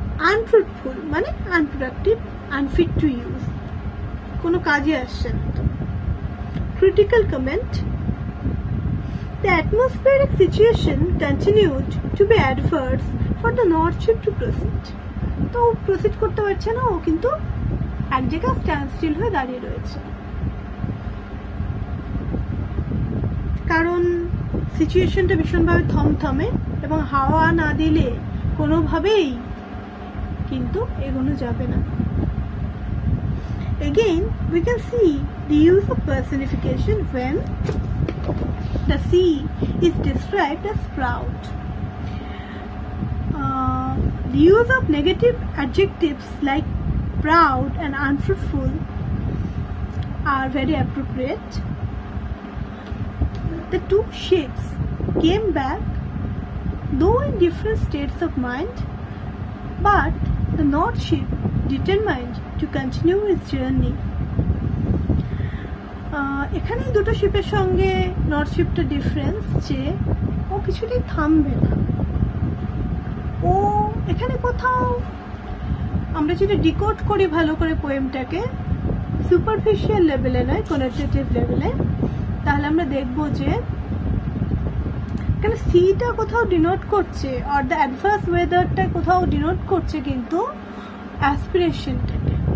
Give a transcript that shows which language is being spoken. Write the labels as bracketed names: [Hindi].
[English] Unfruitful, means unproductive, unfit to use. [Bangla] Kono kaje ashe na. [English] Critical comment. The atmospheric situation continued to be adverse for the north ship to proceed. [Bangla] তো proceed করতে পারছে না ও, কিন্তু এক জায়গায় stand still হয়ে দাঁড়িয়ে রয়েছে. কারণ situationটা ভীষণভাবে থমথমে এবং হাওয়া না দিলে কোনোভাবেই কিন্তু এগোনো যাবে না. [English] Again, we can see the use of personification when the sea is described as proud. The use of negative adjectives like proud and unfruitful are very appropriate. The two ships came back, though in different states of mind, but the north ship determined to continue its journey. [Bangla] এখানেই দুটো শিপের সঙ্গে নর্থশিপটা difference যে ও কিছুতেই থামবে না। ও এখানে কোথাও আমরা যদি ডিকোড করি ভালো করে পোয়েমটাকে, সুপারফিশিয়াল লেভেলে নয় কোয়ালিটেটিভ লেভেলে, তাহলে আমরা দেখব যে এখানে সিটা কোথাও ডিনোট করছে আর দ্য অ্যাডভার্স ওয়েদারটা কোথাও ডিনোট করছে কিন্তু অ্যাসপিরেশনটাকে।